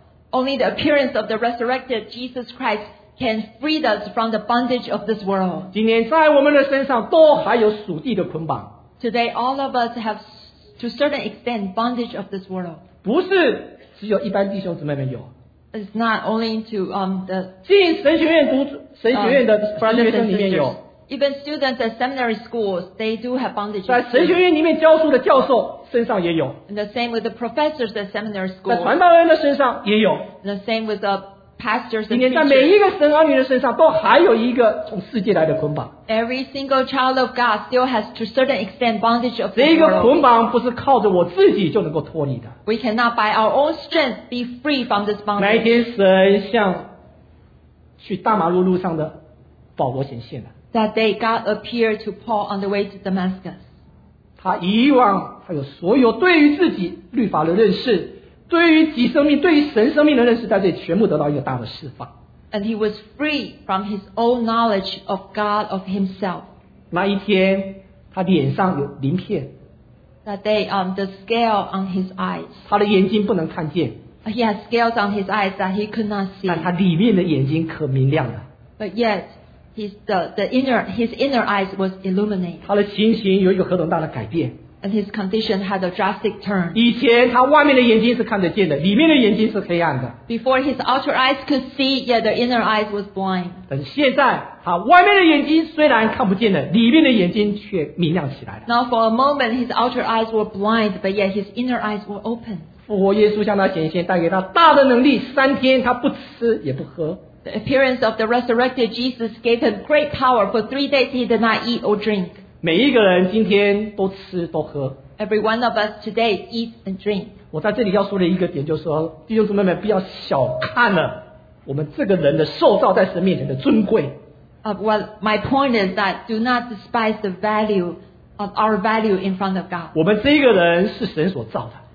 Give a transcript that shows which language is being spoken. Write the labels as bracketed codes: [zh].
[en] Only the appearance of the resurrected Jesus Christ can free us from the bondage of this world. [zh] 今天在我们的身上都还有属地的捆绑。 [en] Today all of us have to a certain extent bondage of this world. [zh] 不是只有一般弟兄姊妹们有。 [en] It's not only to the [zh] 进神学院读神学院的学生里面有。 [en] Even students at seminary schools, they do have bondage. [zh] 在神学院里面教书的教授身上也有。 [en] And the same with the professors at seminary schools. [zh] 在传道人的身上也有。 [en] And the same with the pastors. [zh] 今天在每一个神儿女的身上都还有一个从世界来的捆绑。 [en] Every single child of God still has to a certain extent bondage of the [zh] world. 这个捆绑不是靠着我自己就能够脱离的。 [en] We cannot by our own strength be free from this bondage. [zh] 那一天神向去大马路路上的保罗显现了。 [en] That day God appeared to Paul on the way to Damascus. [zh] 他以往还有所有对于自己律法的认识，对于己生命，对于神生命的认识，在这里全部得到一个大的释放。 [en] And he was free from his own knowledge of God of himself. [zh] 那一天，他脸上有鳞片。 [en] That day, the scale on his eyes. [zh] 他的眼睛不能看见。 [en] He has scales on his eyes that he could not see. [zh] 但他里面的眼睛可明亮了。 [en] But yet. His inner eyes was illuminated. [zh] 他的情形有一个何等大的改变。 [en] And his condition had a drastic turn. [zh] 以前他外面的眼睛是看得见的，里面的眼睛是黑暗的。 [en] Before his outer eyes could see, yet the inner eyes was blind. [zh] 但是现在，他外面的眼睛虽然看不见了，里面的眼睛却明亮起来了。 [en] Now for a moment, his outer eyes were blind, but yet his inner eyes were open. [zh] 复活耶稣向他显现，带给他大的能力。三天他不吃也不喝。 [en] The appearance of the resurrected Jesus gave him great power. For 3 days, he did not eat or drink. [zh] 每一个人今天都吃都喝。 [en] Every one of us today eats and drink. [zh] 我在这里要说的一个点就是说，弟兄姊妹们不要小看了我们这个人的受造在神面前的尊贵。 [en] Well, my point is that do not despise the value of our value in front of God. [zh] 我们这个人是神所造的。